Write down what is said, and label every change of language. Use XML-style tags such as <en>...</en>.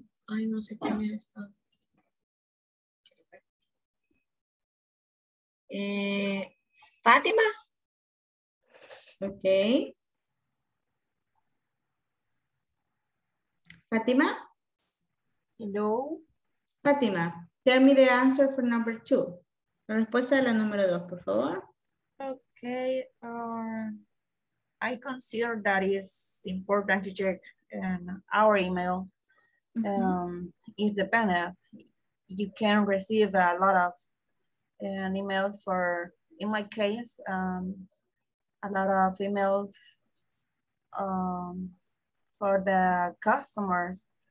<es>Ay, no sé quién es esto. Fátima. Ok. Fátima.</es> <en>Hello. Fátima, tell me the answer for number two.</en> <es>La respuesta de la número dos, por favor.</es> <en>Okay. I consider that is important to check our email. It's a benefit. You can receive a lot of emails for, in my case, a lot of emails for the customers.</en>